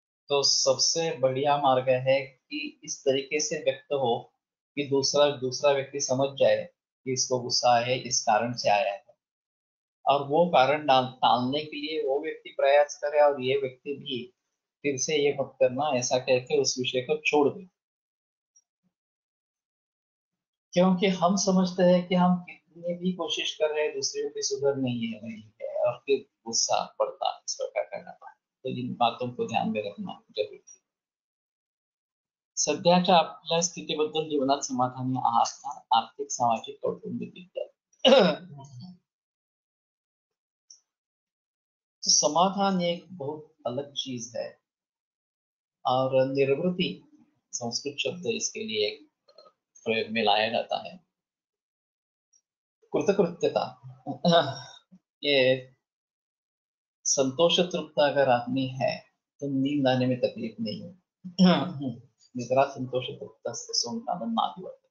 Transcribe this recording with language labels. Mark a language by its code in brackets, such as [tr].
[hi] तो सबसे बढ़िया मार्ग है कि इस तरीके से व्यक्त हो कि दूसरा दूसरा व्यक्ति समझ जाए कि इसको गुस्सा है, इस कारण से आया है, और वो कारण टालने के लिए वो व्यक्ति प्रयास करे और ये व्यक्ति भी फिर से ये मत करना, ऐसा कहकर उस विषय को छोड़ दे। क्योंकि हम समझते हैं कि हम कितनी भी कोशिश कर रहे हैं दूसरे की सुधर नहीं है, और फिर गुस्सा पड़ता है, इस प्रकार का करना पड़ता है। तो इन बातों को ध्यान में रखना जरूरी है। [mr] सध्याच्या आपल्या स्थितीबद्दल जीवनात समाधानी आहात का? आर्थिक, सामाजिक, कौटुंबिक? [hi] तो समाधान एक बहुत अलग चीज है, और निर्वृत्ति संस्कृत शब्द इसके लिए एक प्रयोग में लाया जाता है। कृतकृत्यता, ये संतोष तृप्त अगर आदमी है तो नींद आने में तकलीफ नहीं है, निद्रा संतोष तृप्त से सोम कामन नादि।